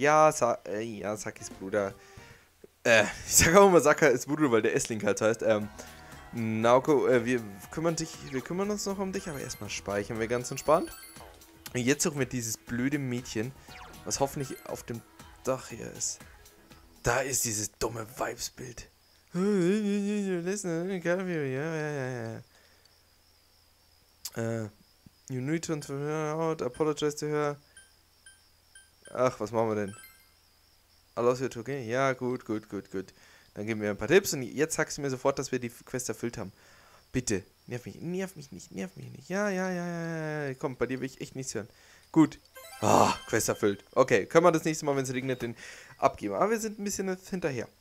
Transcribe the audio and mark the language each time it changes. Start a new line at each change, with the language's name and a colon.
German: Sakis Bruder. Ich sag auch immer Sakis Bruder, weil der Essling halt heißt. Naoko, wir kümmern uns noch um dich, aber erstmal speichern wir ganz entspannt. Und jetzt suchen wir dieses blöde Mädchen, was hoffentlich auf dem Dach hier ist. Da ist dieses dumme Vibesbild.
English: You need to turn out, apologize to her.
German: Ach, was machen wir denn?
English: Allows you to gain?
German: Ja, gut. Dann geben wir ein paar Tipps und jetzt sagst du mir sofort, dass wir die Quest erfüllt haben. Bitte, nerv mich nicht. Ja. Komm, bei dir will ich echt nichts hören. Gut. Ah, Quest erfüllt. Okay, können wir das nächste Mal, wenn es regnet, den abgeben. Aber wir sind ein bisschen hinterher.